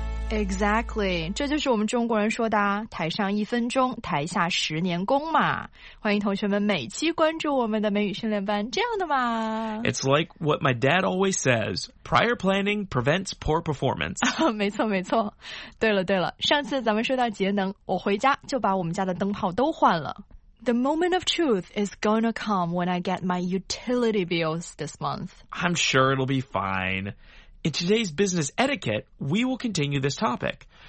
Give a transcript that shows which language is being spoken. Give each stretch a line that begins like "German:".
English: Exactly，
Chinese: 这就是我们中国人说的台上一分钟，台下十年功嘛。欢迎同学们每期关注我们的美语训练班，这样的嘛。
English: It's like what my dad always says, prior planning prevents poor performance.
Chinese: 没错没错。对了对了，上次咱们说到节能，我回家就把我们家的灯泡都换了。
English: The moment of truth is gonna come when I get my utility bills this month. I'm sure it'll be fine. In today's business etiquette, we will continue this topic.